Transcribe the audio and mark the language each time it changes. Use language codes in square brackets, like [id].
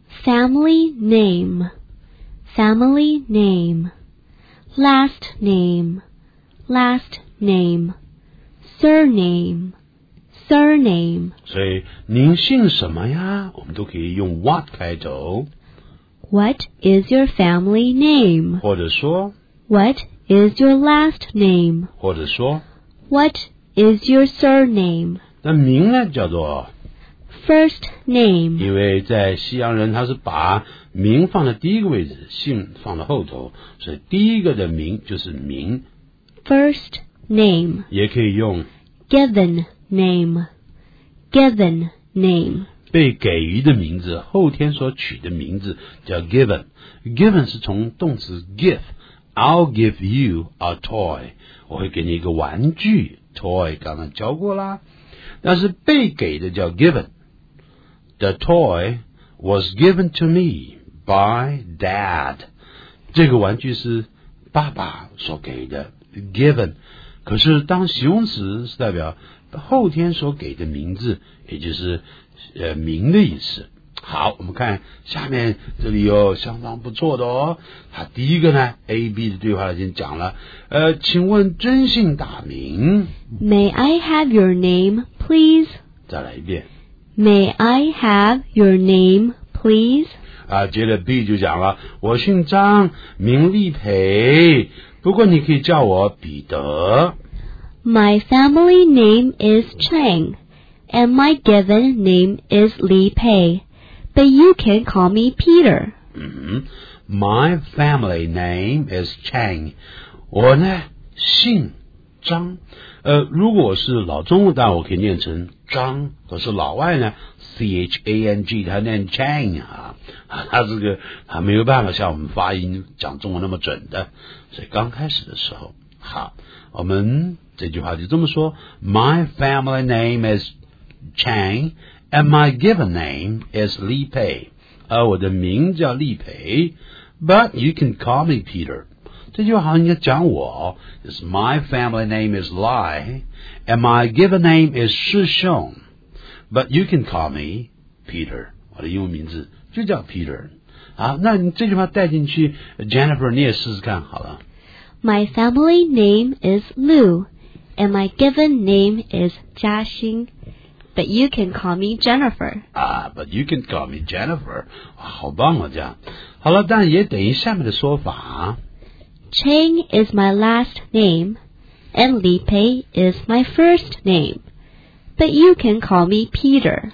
[en] Family name， Family name， Last name， Last name， Surname， Surname。 [zh] 所以您姓什么呀，我们都可以用 what 开头， [en] What is your family name， [zh] 或者说 [en] What is your last name? [zh] 或者说 [en] What is your surname? [zh] 那名呢叫做 [en] First name. [zh] 因为在西洋人他是把名放在第一个位置，姓放在后头，所以第一个的名就是名。 [en] First name. [zh] 也可以用 [en] Given name. Given name. [zh] 被给予的名字，后天所取的名字叫 given. Given 是从动词 give。 [en] I'll give you a toy， [zh] 我会给你一个玩具 toy， 刚刚教过啦，但是被给的叫 given， [en] The toy was given to me by dad. [zh] 这个玩具是爸爸所给的 given， 可是当形容词是代表后天所给的名字，也就是名的意思。好，我们看下面这里有相当不错的哦。他第一个呢 ，AB 的对话已经讲了。请问尊姓大名 [en] ？May I have your name, please？ [zh] 再来一遍。 [en] May I have your name, please？ [zh] 啊，接着 B 就讲了，我姓张，名立培，不过你可以叫我彼得。 [en] My family name is Chang, and my given name is Li Pei. But you can call me Peter. My family name is Chang. [zh] 我呢姓张。如果是老中文，我可以念成张。可是老外呢 ，Chang， 他念 Chang 啊，他这个他没有办法像我们发音讲中文那么准的。所以刚开始的时候，好，我们这句话就这么说 ： [en] My family name is Chang. And my given name is Li Pei. [zh] 我的名叫利培。 [en] But you can call me Peter. [zh] 这句话好像应该讲我。 [en] It's my family name is Li. And my given name is Shi Xiong. But you can call me Peter. [zh] 我的英文名字就叫 Peter. 好，那你这句话带进去 ,Jennifer, 你也试试看好了。 [en] My family name is Lu. And my given name is 嘉兴。 But you can call me Jennifer. But you can call me Jennifer. [zh] 好棒啊，这样。好了，但也等于下面的说法。 [en] Chang is my last name, and Li Pei is my first name. But you can call me Peter.